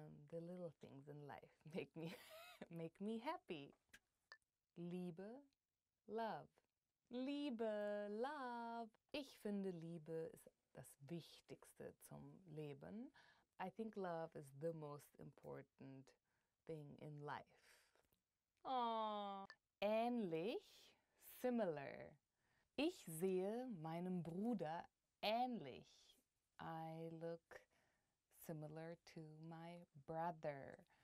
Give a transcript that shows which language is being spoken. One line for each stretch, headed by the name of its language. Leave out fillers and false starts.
English: The little things in life make me happy. Liebe. Love. Liebe, love.
German: Ich finde, Liebe ist das Wichtigste zum Leben.
English: I think love is the most important thing in life. Aww. Ähnlich, similar.
German: Ich sehe meinem Bruder ähnlich.
English: I look similar to my brother.